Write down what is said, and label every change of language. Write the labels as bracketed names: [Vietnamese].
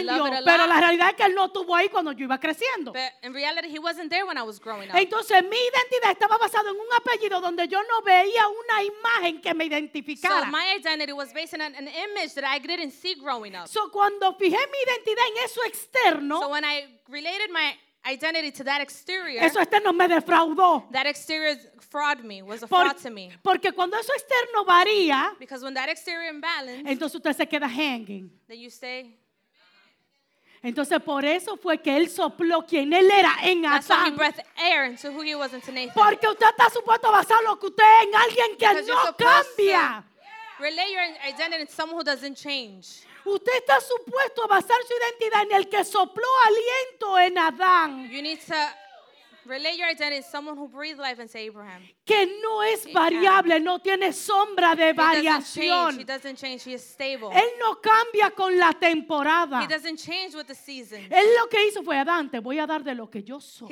[Spanish] en Dios, pero la realidad es que él no estuvo ahí cuando yo iba creciendo. [English] But in reality he wasn't there when I was growing up. [Spanish] Entonces mi identidad estaba basada en un apellido donde yo no veía una imagen que me identificara. [English] So my identity was based on an image that I didn't see growing up. [Spanish] So cuando fijé mi identidad en eso externo. [English] So when I related my identity to that exterior, [Spanish] eso externo me defraudó. [English] That exterior fraud me was a fraud to me. [Spanish] Porque cuando eso externo varía, [English] because when that exterior imbalance, [Spanish] entonces usted se queda hanging. [English] Then you stay. [Spanish] Entonces por eso fue que él sopló quien él era en Adán. [English] That's why he breathed air into who he was into Nathan. [Spanish] Porque usted está supuesto a basar lo que usted es en alguien que [English] because [Spanish] no cambia. [English] Relate your identity to someone who doesn't change. [Spanish] Usted está supuesto a basar su identidad en el que sopló aliento en Adán. [English] You need to relate your identity to someone who breathed life into Abraham. [Spanish] Que no es variable, no tiene sombra de variación. [English] He doesn't change, he is stable. [Spanish] Él no cambia con la temporada. [English] He doesn't change with the seasons. [Spanish] Él lo que hizo fue, Adán, te voy a dar de lo que yo soy.